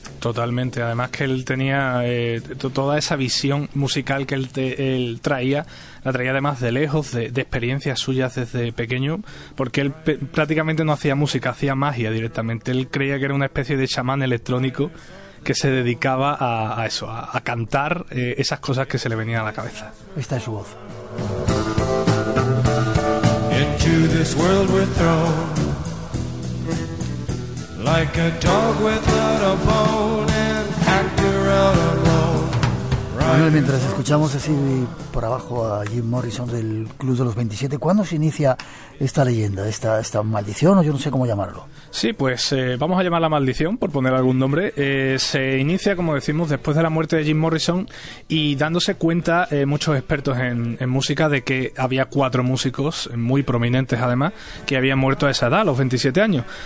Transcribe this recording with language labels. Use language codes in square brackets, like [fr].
[es] Totalmente, además que él tenía toda esa visión musical que él traía, la traía además de lejos, de experiencias suyas desde pequeño, porque él prácticamente no hacía música, hacía magia directamente. Él creía que era una especie de chamán electrónico que se dedicaba a eso, a cantar esas cosas que se le venían a la cabeza. Esta es su voz. [en] Into this world we're thrown. Like a dog without a bone and actor out alone. [es] Bueno, mientras escuchamos así por abajo a Jim Morrison del Club de los 27, ¿cuándo se inicia esta leyenda, esta maldición, o yo no sé cómo llamarlo? Sí, pues vamos a llamarla maldición, por poner algún nombre. Se inicia, como decimos, después de la muerte de Jim Morrison y dándose cuenta muchos expertos en música de que había cuatro músicos, muy prominentes además, que habían muerto a esa edad, a los 27 años.